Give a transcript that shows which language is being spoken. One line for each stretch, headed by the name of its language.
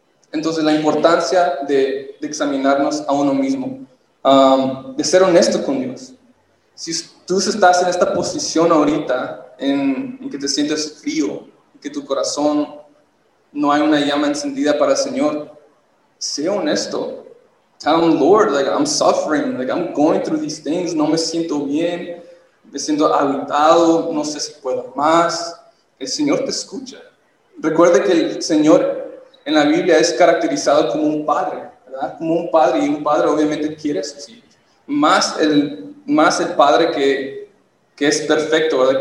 Spanish: Entonces, la importancia de examinarnos a uno mismo, de ser honesto con Dios. Si tú estás en esta posición ahorita en que te sientes frío, que tu corazón no hay una llama encendida para el Señor, sé honesto.
English: Tell him, Lord, like, I'm suffering, like, I'm going through these things,
Spanish: no me siento bien. Me siento agotado, no sé si puedo más. El Señor te escucha. Recuerde que el Señor en la Biblia es caracterizado como un padre, ¿verdad? Como un padre, y un padre obviamente quiere a sus hijos. Más el padre que es perfecto, ¿verdad?